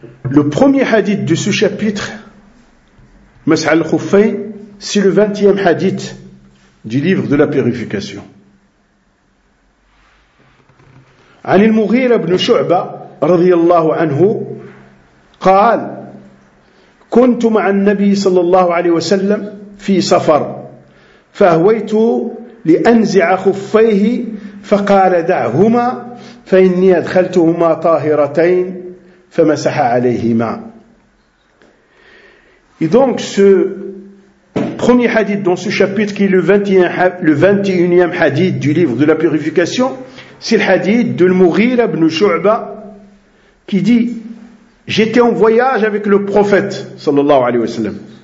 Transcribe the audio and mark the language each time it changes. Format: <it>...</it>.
<fr>Le premier hadith de ce chapitre, Mas'al al-Khufay, c'est le 20e hadith du livre de la purification.</fr> <ar>عن المغيرة بن شعبة رضي الله عنه قال كنت مع النبي صلى الله عليه وسلم في سفر فأهويت لأنزع خفيه فقال دعهما فإني أدخلتهما طاهرتين فمسح عليهما.</ar> <fr>Et donc ce premier hadith dans ce chapitre qui est le 21e hadith du livre de la purification, c'est le hadith de Mughira ibn Shu'ba qui dit « J'étais en voyage avec le prophète sallallahu alayhi wa sallam.</fr>